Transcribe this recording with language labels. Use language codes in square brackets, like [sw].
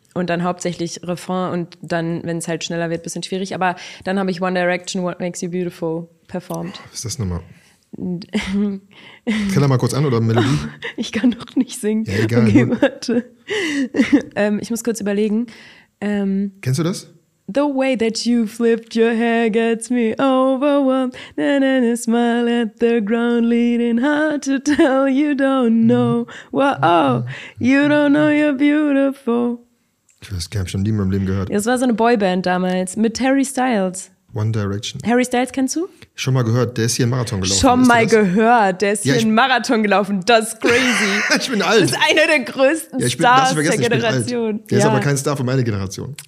[de] Und dann hauptsächlich Refrain und dann, wenn es halt schneller wird, bisschen schwierig. Aber dann habe ich One Direction, What Makes You Beautiful performt. Was ist das nochmal? Kann er mal kurz an oder Melodie? Ich kann doch nicht singen. Ja, egal. Okay, warte. Ich muss kurz überlegen. Kennst du das? [en] The way that you flipped your hair gets me overwhelmed. Na, na, na, smile at the ground leading hard to tell you don't know. Wow, you don't know you're beautiful. [de] Ich weiß, ich habe schon nie in meinem Leben gehört. Das war so eine Boyband damals mit Harry Styles. One Direction. Harry Styles kennst du? Schon mal gehört, der ist hier einen Marathon gelaufen. Einen Marathon gelaufen, das ist crazy. Ich bin alt. Das ist einer der größten Stars der Generation. Der ist aber kein Star für meine Generation.